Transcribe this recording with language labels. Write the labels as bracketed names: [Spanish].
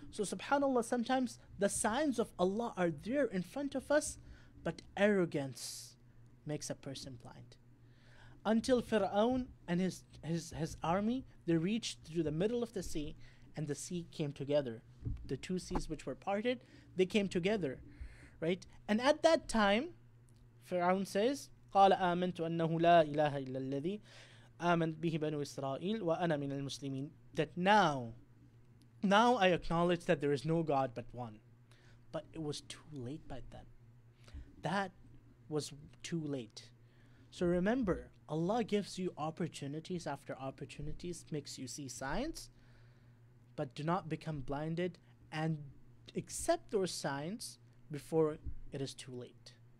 [English] So subhanAllah, sometimes the signs of Allah are there in front of us, but arrogance makes a person blind. Until Fir'aun and his army, they reached through the middle of the sea, and the sea came together. The two seas which were parted, they came together. Right? And at that time, Fir'aun says, [Arabic] قَالَ آمَنْتُ أَنَّهُ لَا إِلَهَ إِلَّا الَّذِي آمَنْ بِهِ بَنُوا إِسْرَائِيلُ وَأَنَا مِنَ الْمُسْلِمِينَ. [English] That now I acknowledge that there is no God but one. But it was too late by then. That was too late. So remember, Allah gives you opportunities after opportunities, makes you see signs, but do not become blinded and accept those signs before it is too late.